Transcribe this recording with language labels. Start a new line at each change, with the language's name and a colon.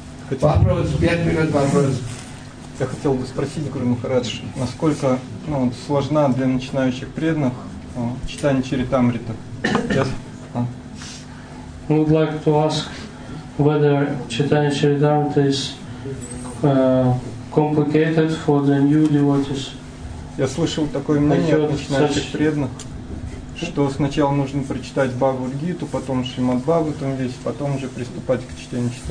Sanskrit: Hare Krishna.
Russian: Я хотел бы спросить Гуру Махарадж, насколько сложна для начинающих преданных читание Чаритамриты?
English: Would like to ask whether
Russian: читание Чаритамриты
English: is complicated for the new devotees.
Russian: Я слышал такое мнение от начинающих преданных, что сначала нужно прочитать Бхагавад-гиту, потом Шримад-бхагаватам весь, потом уже приступать к чтению